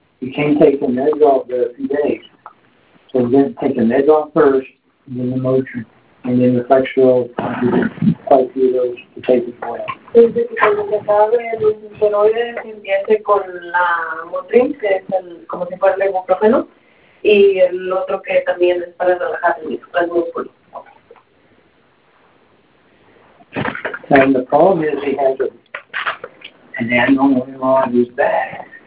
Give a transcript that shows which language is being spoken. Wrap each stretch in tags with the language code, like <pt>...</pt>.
<en>You can't take the meds off for a few days. So we're going to take the meds off first, and then the Motrin, and then the Flexeril, quite a few of those to take as well.</en> <es>Y el otro que también es para relajar el músculo.</es> <en>And the problem is he has an abnormal MR on his back.</en>